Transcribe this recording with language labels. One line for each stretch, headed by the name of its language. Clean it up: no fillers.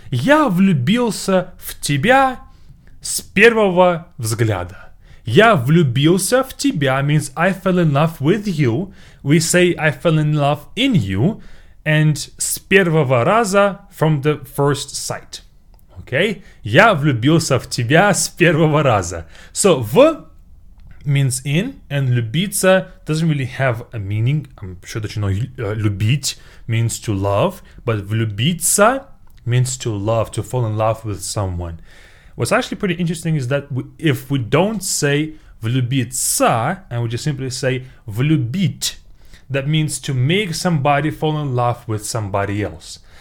Russian: Я влюбился в тебя с первого взгляда. Я влюбился в тебя
English: means I fell in love with you. We say I fell in love in you. And
Russian: с первого раза,
English: from the first sight. Okay?
Russian: Я влюбился в тебя с первого раза.
English: So, в means in, and любиться doesn't really have a meaning. I'm sure that you know любить means to love, but влюбиться means to love, to fall in love with someone. What's actually pretty interesting is that if we don't say влюбиться, and we just simply say влюбить, that means to make somebody fall in love with somebody else.